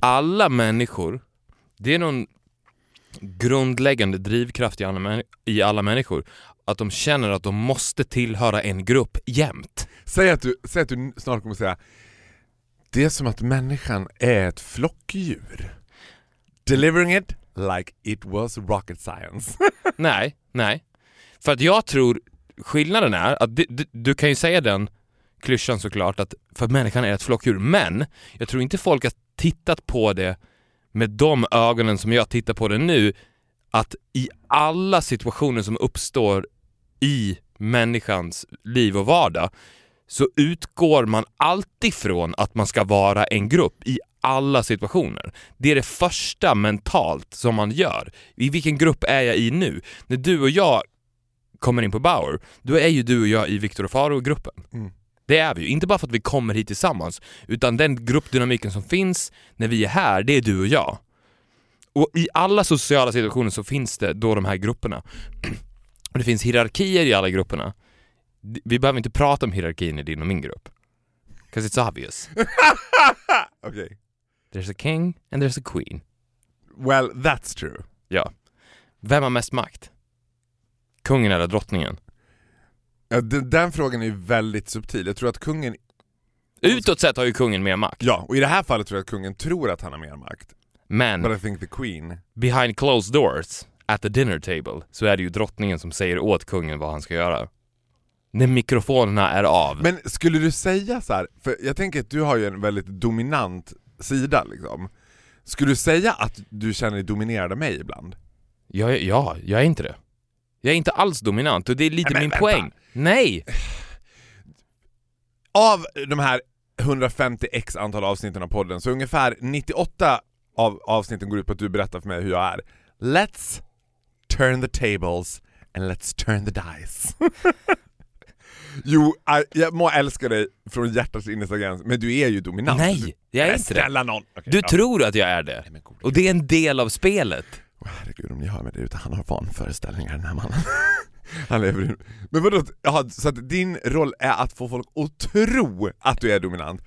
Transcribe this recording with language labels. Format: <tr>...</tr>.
<sv>Alla människor, det är någon grundläggande drivkraft i alla människor. Att de känner att de måste tillhöra en grupp jämt. Säg att du snart kommer säga, det är som att människan är ett flockdjur.</sv> <en>Delivering it like it was rocket science.</en> <sv>Nej. För att jag tror... Skillnaden är att du kan ju säga den klyschan såklart att för människan är ett flockdjur, men jag tror inte folk har tittat på det med de ögonen som jag tittar på det nu, att i alla situationer som uppstår i människans liv och vardag så utgår man alltid från att man ska vara en grupp i alla situationer. Det är det första mentalt som man gör. I vilken grupp är jag i nu? När du och jag kommer in på Bauer, då är ju du och jag i Victor och Faro-gruppen. Mm. Det är vi ju. Inte bara för att vi kommer hit tillsammans, utan den gruppdynamiken som finns när vi är här, det är du och jag. Och i alla sociala situationer så finns det då de här grupperna. Och det finns hierarkier i alla grupperna. Vi behöver inte prata om hierarkin i din och min grupp.</sv> <en>Because it's obvious. Okay. There's a king and there's a queen. Well, that's true.</en> <sv>Ja. Vem har mest makt? Kungen eller drottningen? Ja, den frågan är väldigt subtil. Jag tror att kungen... Utåt sett har ju kungen mer makt. Ja, och i det här fallet tror jag att kungen tror att han har mer makt. Men...</sv> <en>But I think the queen... Behind closed doors, at the dinner table,</en> <sv>så är det ju drottningen som säger åt kungen vad han ska göra. När mikrofonerna är av. Men skulle du säga så här... För jag tänker att du har ju en väldigt dominant sida, liksom. Skulle du säga att du känner dig dominerad av mig ibland? Ja, jag är inte det. Jag är inte alls dominant, och det är lite men, min vänta. Poäng. Nej! Av de här 150x antal avsnitten av podden, så ungefär 98 av avsnitten går ut på att du berättar för mig hur jag är.</sv> <en>Let's turn the tables and let's turn the dice.</en> <sv>Jo, jag må älska dig från hjärtats innersta gräns, men du är ju dominant. Nej, jag är inte det. Någon. Okay, du då. Tror att jag är det. Nej, men god, och det är en del av spelet. Herregud, om ni hör mig det, utan han har vanföreställningar, den här mannen. Han lever i... Men vadå? Ja, så att din roll är att få folk att tro att du är dominant.</sv>